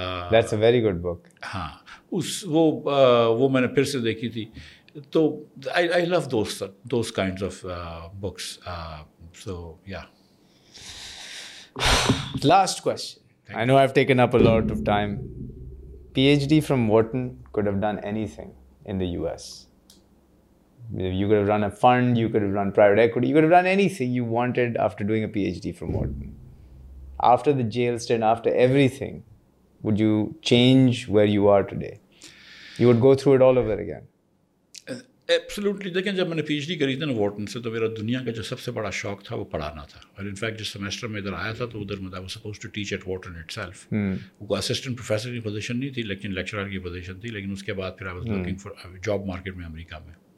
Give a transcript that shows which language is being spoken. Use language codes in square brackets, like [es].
[en] That's a very good book. [ur] ہاں اس وہ میں نے پھر سے دیکھی تھی. [en] تو I love those kinds of books. So yeah last question, I know I have taken up a lot of time. PhD from Wharton could have done anything in the US. You could have run a fund, you could have run private equity, you could have done anything you wanted after doing a PhD from Wharton. After the jail stint, after everything, would you change where you are today? You would go through it all over again. Absolutely. [ur] دیکھیں جب میں نے P H D کری تھی نا Wharton سے, تو میرا دنیا کا جو سب سے بڑا شوق تھا وہ پڑھانا تھا. اور ان فیکٹ جس سیمسٹر میں ادھر آیا تھا تو ادھر مطلب [en] Suppose to teach at Wharton itself. [ur] وہ اسسٹنٹ پروفیسر کی پوزیشن نہیں تھی لیکن لیکچرر کی پوزیشن تھی. لیکن اس کے بعد پھر [en] I was looking for job market [ur] میں امریکہ میں.